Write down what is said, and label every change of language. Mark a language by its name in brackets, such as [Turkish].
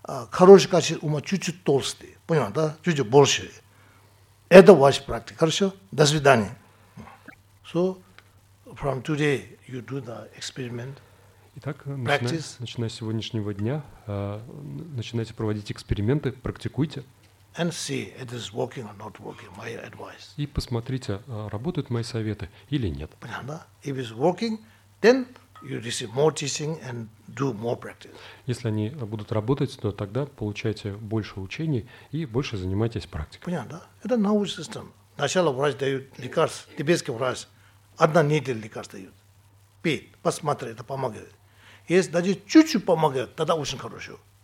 [Russian] Хорошее качество ума чуть-чуть толстый, понял, да? Чуть-чуть больше. Это ваша практика. Хорошо? До свидания. [English] So, from today, you do the experiment. [Russian] Итак, начиная с сегодняшнего дня, начинайте проводить эксперименты, практикуйте. [English] And see, it is working or not working, my advice. [Russian] И посмотрите, работают мои советы или нет. Понятно, да? [English] If it's working, then you receive more teaching and do more practice. [Russian] Если они будут работать, то тогда получайте больше учений и больше занимайтесь практикой. Понятно, да? Это научная система. Сначала врач дает лекарств, тибетский врач. Одна неделя лекарств дает. Пей, посмотри, это помогает. Если даже чуть-чуть помогает, тогда очень хорошо.